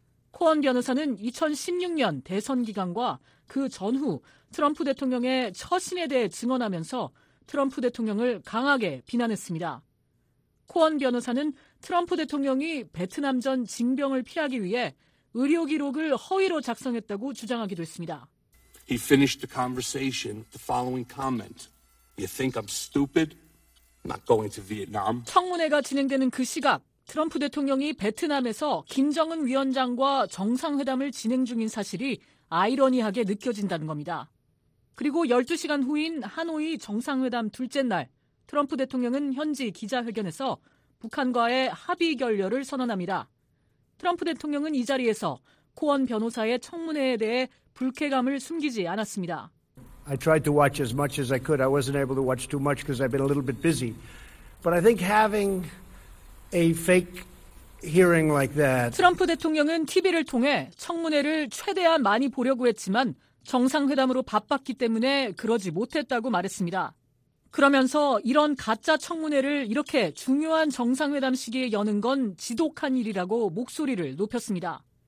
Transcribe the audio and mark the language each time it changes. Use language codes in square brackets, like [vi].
[ko] 코언 변호사는 2016년 대선 기간과 그 전후 트럼프 대통령의 처신에 대해 증언하면서 트럼프 대통령을 강하게 비난했습니다. 코언 변호사는 트럼프 대통령이 베트남 전 징병을 피하기 위해 의료 기록을 허위로 작성했다고 주장하기도 했습니다. [en] He finished the conversation with the following comment. You think I'm stupid? Not going to Vietnam. [ko] 청문회가 진행되는 그 시각, 트럼프 대통령이 베트남에서 김정은 위원장과 정상회담을 진행 중인 사실이 아이러니하게 느껴진다는 겁니다. 그리고 12시간 후인 하노이 정상회담 둘째 날, 트럼프 대통령은 현지 기자회견에서 북한과의 합의 결렬을 선언합니다. 트럼프 대통령은 이 자리에서 코언 변호사의 청문회에 대해 불쾌감을 숨기지 않았습니다. [en] I tried to watch as much as I could. I wasn't able to watch too much because I've been a little bit busy. But I think having a fake hearing like that. [ko] 트럼프 대통령은 TV를 통해 청문회를 최대한 많이 보려고 했지만 정상회담으로 바빴기 때문에 그러지 못했다고 말했습니다. 그러면서 이런 가짜 청문회를 이렇게 중요한 정상회담 시기에 여는 건 지독한 일이라고 목소리를 높였습니다.